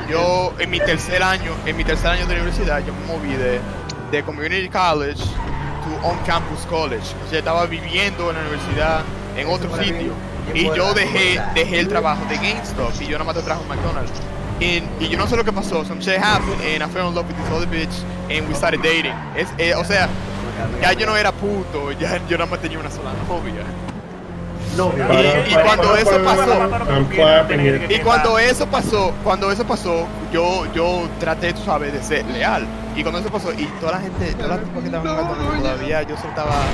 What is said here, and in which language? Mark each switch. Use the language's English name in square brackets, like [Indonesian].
[Spanish] Yo en mi tercer año de universidad, yo me moví de [English] community college to on campus college. [Spanish] O sea, estaba viviendo en la universidad en otro sitio. Y yo dejé el trabajo de GameStop y yo nada más te trajo McDonald's. Y yo no sé lo que pasó. [English] Some shit happened and I fell in love with this other bitch and we started dating. [Spanish] O sea, ya yo no era puto, ya yo nada más tenía una sola novia. Y cuando eso pasó, yo traté, tú sabes, de ser leal. Y cuando eso pasó, y toda la gente, todas las tipas que estaban jugando todavía, yo soltaba.